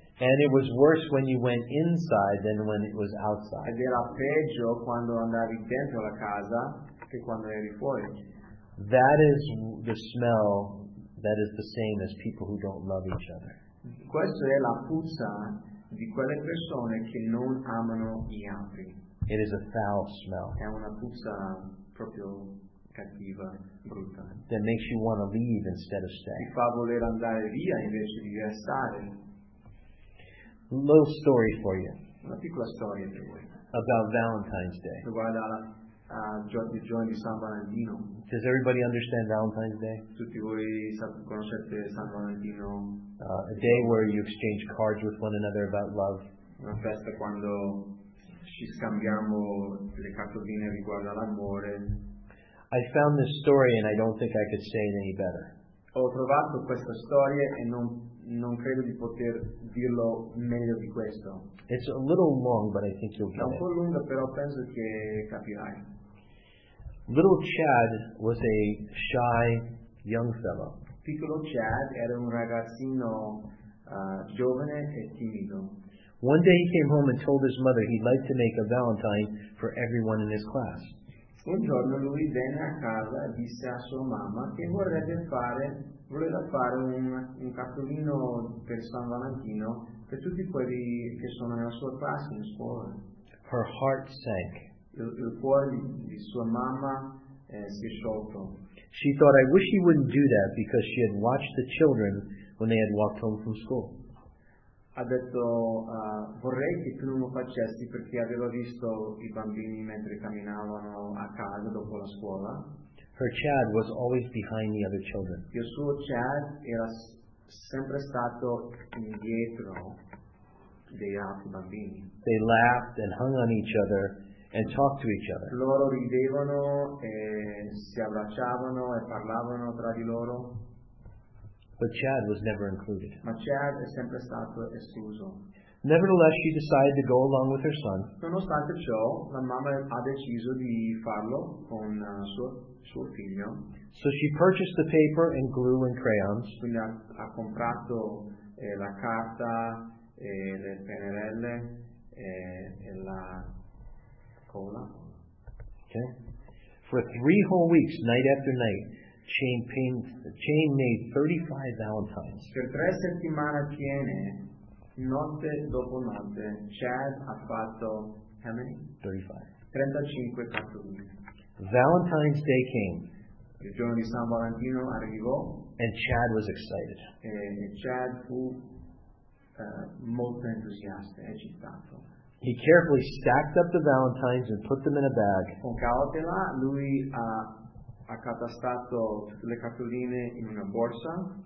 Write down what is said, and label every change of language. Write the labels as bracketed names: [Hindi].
[English] And it was worse when you went inside than when it was outside. [Italian] Ed era peggio quando andavi dentro la casa che quando eri fuori. [English] That is the smell that is the same as people who don't love each other. [Italian] Questa è la puzza di quelle persone che non amano gli altri. [English] It is a foul smell. [Italian] È una puzza proprio cattiva, brutta. [English] That makes you want to leave instead of stay. [Italian] Ti fa voler andare via invece di restare. [English] Little story for you. [Italian] Una piccola storia per voi. [English] About Valentine's Day. [Italian] Riguarda la giorno di San Valentino. [English] Does everybody understand Valentine's Day? [Italian] Tutti voi conoscete San Valentino. [English] A day where you exchange cards with one another about love. [Italian] Una festa quando ci scambiamo le cartoline riguardo all'amore. [English] I found this story and I don't think I could say it any better. [Italian] Ho trovato questa storia e non credo di poter dirlo meglio di questo. [English] It's a little long, but I think you'll get it. [Italian] È un po' lunga, però penso che capirai. [English] Little Chad was a shy young fellow. [Italian] Piccolo Chad era un ragazzino giovane e timido. [English] One day he came home and told his mother he'd like to make a Valentine for everyone in his class. [Italian] Un giorno lui venne a casa e disse a sua mamma che voleva fare un cartolino per San Valentino per tutti quelli che sono nella sua classe in scuola. [English] Her heart sank. [Italian] Il cuore di sua mamma si è sciolto. [English] She thought, I wish he wouldn't do that because she had watched the children when they had walked home from school. [Italian] Ha detto, vorrei che tu non lo facessi perché aveva visto i bambini mentre camminavano a casa dopo la scuola. [English] Her Chad was always behind the other children. [Italian] Il suo Chad era sempre stato indietro degli altri bambini. [English] They laughed and hung on each other and talked to each other. [Italian] Loro ridevano e si abbracciavano e parlavano tra di loro. [English] But Chad was never included. [Italian] Ma Chad è sempre stato escluso. [English] Nevertheless, she decided to go along with her son. [Italian] Nonostante ciò, la mamma ha deciso di farlo con suo figlio. [English] So she purchased the paper and glue and crayons. [Italian] Quindi ha comprato la carta e le pennarelle e la cola. [English] Okay. For 3 whole weeks, night after night, Chain made 35 Valentines. [Italian] Per 3 settimane piene, notte dopo notte, Chad ha fatto [English] how many? 35 [Italian] cartoline. [English] Valentine's Day came. [Italian] Il giorno di San Valentino arrivò. [English] And Chad was excited. [Italian] E Chad fu molto entusiasta, eccitato. [English] He carefully stacked up the Valentines and put them in a bag. [Italian] Con cautela, lui ha accatastato tutte le cartoline in una borsa.